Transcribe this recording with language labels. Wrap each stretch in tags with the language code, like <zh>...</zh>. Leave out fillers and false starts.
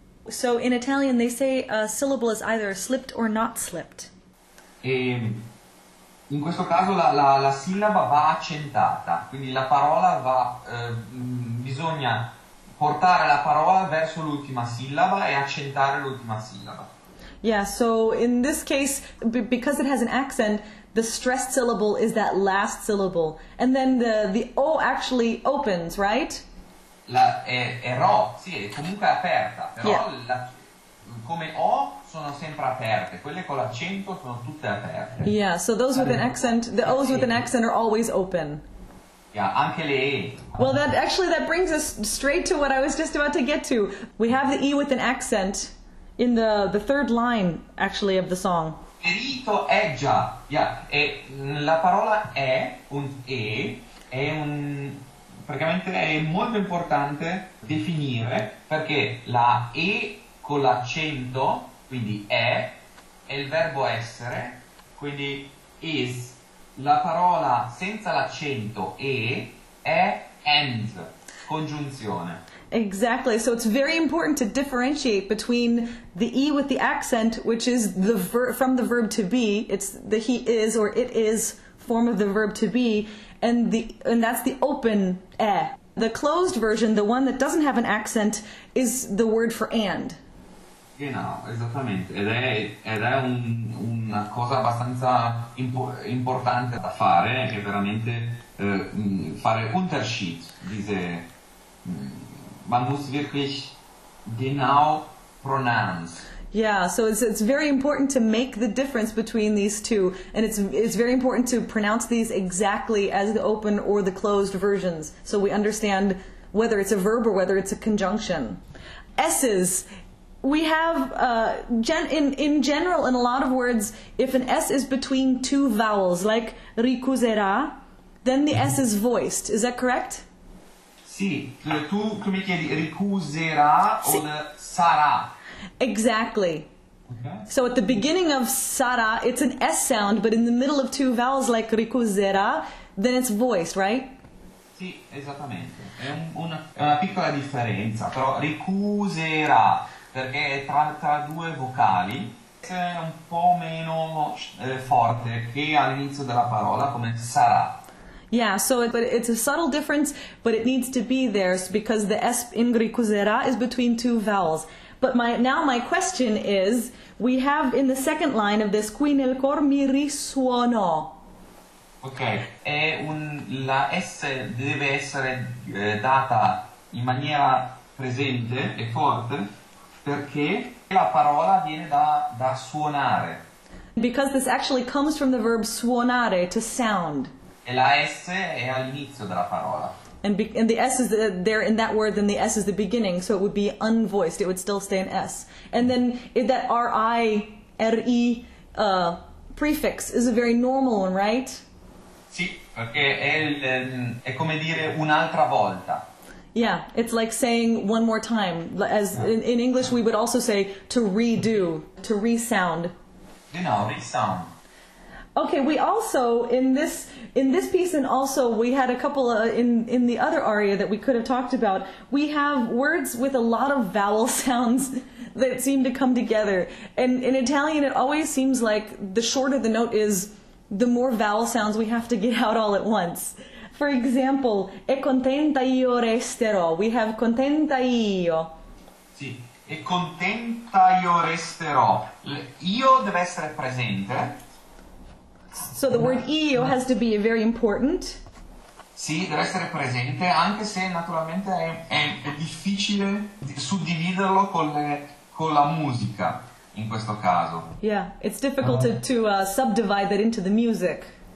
<en>So in Italian they say a syllable is either slipped or not slipped.</en> <it>E in questo caso la sillaba va accentata, quindi la parola va bisogna portare la parola verso l'ultima sillaba e accentare l'ultima sillaba.</it> <en>Yeah, so in this case because it has an accent, the stressed syllable is that last syllable and then the O actually opens, right?</en> <it>È ro, sì, è comunque aperta, però yeah. Come O sono sempre aperte, quelle con l'accento sono tutte aperte.</it> <en>Yeah, so those with an accent, the O's with an accent are always open.</en> <it>Yeah, anche le E.</it> <en>Well, that brings us straight to what I was just about to get to. We have the E with an accent in the third line, actually, of the song.</en> <it>Ferito è già, yeah, e la parola è, un E, è un... Praticamente è molto importante definire perché la E con l'accento, quindi è il verbo essere, quindi is. La parola senza l'accento E è and, congiunzione.</it> <en>Exactly, so it's very important to differentiate between the E with the accent, which is the from the verb to be, it's the he is or it is form of the verb to be, and that's the open E. The closed version, the one that doesn't have an accent, is the word for and.</en> <it>Sì, no, esattamente, ed è una cosa abbastanza importante da fare, che veramente fare</it> <de>Unterschied, dice, man muss wirklich genau</de> <it>pronounce.</it> <en>Yeah, so it's very important to make the difference between these two, and it's very important to pronounce these exactly as the open or the closed versions, so we understand whether it's a verb or whether it's a conjunction. S's. We have, in general, in a lot of words, if an S is between two vowels, like ricuserà, then the S is voiced. Is that correct?</en> <it>Sì, tu come chiedi ricuserà o sì. Sarà.</it> <en>Exactly. Okay. So at the beginning of sarà, it's an S sound, but in the middle of two vowels, like ricuserà, then it's voiced, right?</en> <it>Sì, esattamente. È una piccola differenza, però ricuserà. Perché tra due vocali è un po' meno forte che all'inizio della parola, come sarà.</it> <en>Yeah, so it's a subtle difference, but it needs to be there because the S in ricuserà is between two vowels. But my question is, we have in the second line of this,</en> <it>qui nel cor mi risuonò. Ok, la S deve essere data in maniera presente e forte. Perché la parola viene da suonare.</it> <en>Because this actually comes from the verb suonare, to sound.</en> <it>E la S è all'inizio della parola.</it> <en>And the S is there in that word, then the S is the beginning, so it would be unvoiced, it would still stay an S. And then that R-I, R-I prefix is a very normal one, right?</en> <it>Sì, perché è come dire un'altra volta.</it> <en>Yeah, it's like saying one more time. As in English, we would also say to redo, to resound. You know, resound. Okay, we also, in this piece and also we had a couple in the other aria that we could have talked about, we have words with a lot of vowel sounds that seem to come together. And in Italian, it always seems like the shorter the note is, the more vowel sounds we have to get out all at once. For example,</en> <it>e contenta io resterò.</it> <en>We have</en> <it>contenta io. Sì, e contenta io resterò. Io deve essere presente.</it> <en>So the word io has to be very important.</en> <it>Sì, deve essere presente, anche se naturalmente è difficile suddividerlo con la musica, in questo caso.</it> <en>Yeah, it's difficult to subdivide that into the music.</en>